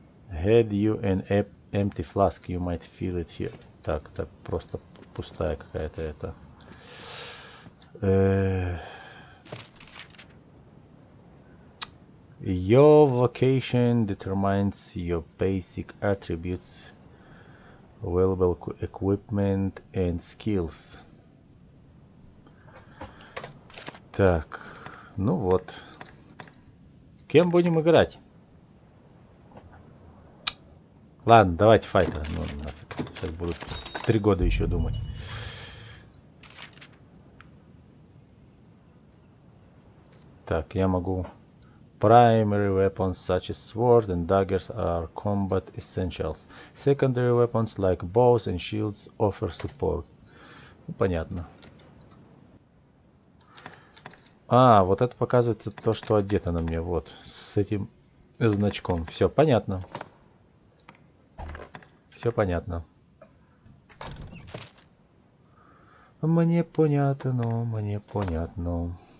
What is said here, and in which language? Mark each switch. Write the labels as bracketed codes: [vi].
[en] Had you an empty flask, you might feel it here. [ru] Так, это просто пустая какая-то это. [en] Your vocation determines your basic attributes, available equipment and skills. [ru] Так, ну вот. Кем будем играть? Ладно, давайте файта. Ну, нафиг. Сейчас будут 3 года еще думать. Так, я могу... [en] Primary weapons such as swords and daggers are combat essentials. Secondary weapons like bows and shields offer support. [ru] Ну, понятно. А, вот это показывается то, что одето на мне. Вот, с этим значком. Все понятно. Все понятно. Мне понятно.